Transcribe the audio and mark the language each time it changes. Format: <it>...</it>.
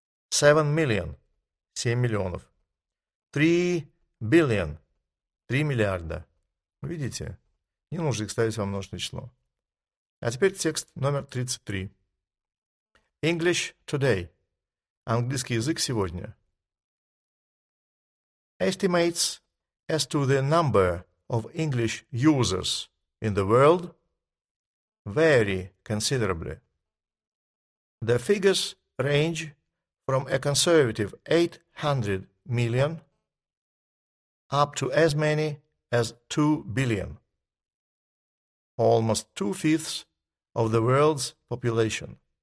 <en>7 million</en> <ru>– 7 миллионов.</ru> <en>3 billion</en> <ru>– 3 миллиарда. Видите? Не нужно их ставить во множественное число. А теперь текст номер 33.</ru> <en>English today.</en> <ru>Английский язык сегодня.</ru> <en>Estimates as to the number of English users in the world vary considerably. The figures range from a conservative 800 million up to as many as 2 billion, almost two-fifths of the world's population.</en>